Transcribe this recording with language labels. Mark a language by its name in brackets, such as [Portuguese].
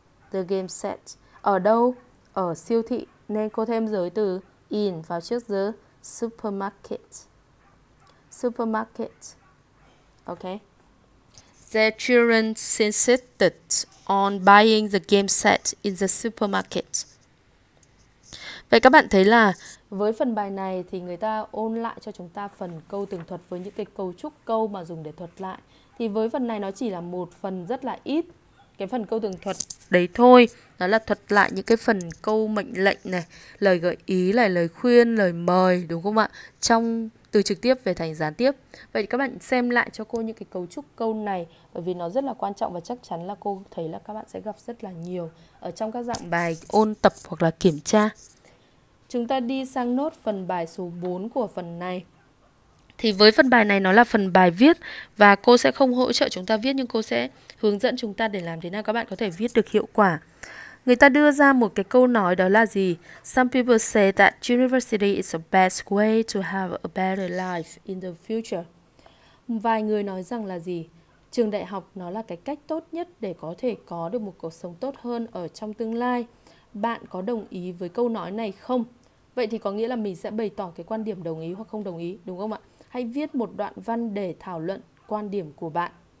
[English] The game set [Vietnamese] ở đâu? Ở siêu thị, nên cô thêm giới từ in vào trước [English] the supermarket. [Vietnamese] Ok. [English] Their children insisted on buying the game set in the supermarket. [Vietnamese] Vậy các bạn thấy là với phần bài này thì người ta ôn lại cho chúng ta phần câu tường thuật với những cái cấu trúc câu mà dùng để thuật lại. Thì với phần này nó chỉ là một phần rất là ít cái phần câu tường thuật đấy thôi. Đó là thuật lại những cái phần câu mệnh lệnh này, lời gợi ý này, lời khuyên, lời mời, đúng không ạ? Trong từ trực tiếp về thành gián tiếp. Vậy các bạn xem lại cho cô những cái cấu trúc câu này, bởi vì nó rất là quan trọng và chắc chắn là cô thấy là các bạn sẽ gặp rất là nhiều ở trong các dạng bài ôn tập hoặc là kiểm tra. Chúng ta đi sang nốt phần bài số 4 của phần này. Thì với phần bài này nó là phần bài viết và cô sẽ không hỗ trợ chúng ta viết nhưng cô sẽ hướng dẫn chúng ta để làm thế nào các bạn có thể viết được hiệu quả. Người ta đưa ra một cái câu nói đó là gì? [English] Some people say that university is the best way to have a better life in the future. [Vietnamese] Vài người nói rằng là gì? Trường đại học nó là cái cách tốt nhất để có thể có được một cuộc sống tốt hơn ở trong tương lai. Bạn có đồng ý với câu nói này không? Vậy thì có nghĩa là mình sẽ bày tỏ cái quan điểm đồng ý hoặc không đồng ý, đúng không ạ? Hãy viết một đoạn văn để thảo luận quan điểm của bạn.